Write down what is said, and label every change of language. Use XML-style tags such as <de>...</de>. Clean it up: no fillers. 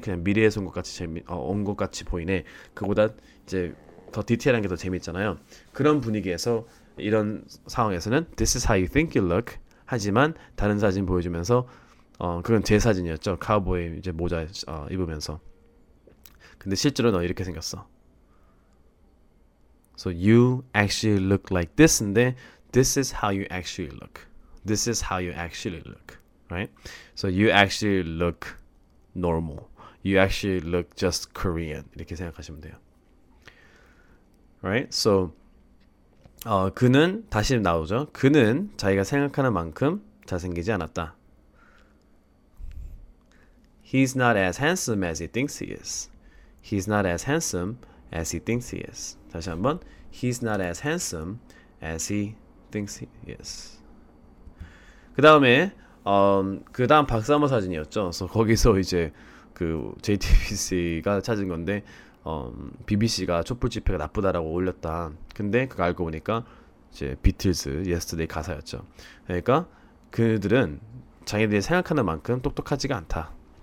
<ko>그냥 미래에서 온 것 같이 온 것 같이 보이네. 그보다 이제 더 디테일한 게 더 재밌잖아요. 그런 분위기에서 이런 상황에서는</ko> <en>This is how you think you look.</en> <ko>하지만 다른 사진 보여주면서 그건 제 사진이었죠. 카우보이 이제 모자 입으면서. 근데 실제로 너 이렇게 생겼어.</ko> <en>So you actually look like this인데 This is how you actually look. This is how you actually look, right? So you actually look normal. You actually look just Korean.</en> <ko>이렇게 생각하시면 돼요.</ko> <en>Right? So</en> <ko>그는 다시 나오죠. 그는 자기가 생각하는 만큼 잘생기지 않았다.</ko> <en>He's not as handsome as he thinks he is. He's not as handsome as he thinks he is.</en> <ko>다시 한번.</ko> <en>He's not as handsome as he thinks he is.</en> <ko>그 다음에 그 다음 박사모 사진이었죠. 그래서 거기서 이제 그 JTBC가 찾은 건데 BBC가 촛불 집회가 나쁘다라고 올렸다. 근데 그거 알고 보니까 이제 비틀즈 yesterday 가사였죠. 그러니까 그들은 자기들이 생각하는 만큼 똑똑하지가 않다.</ko>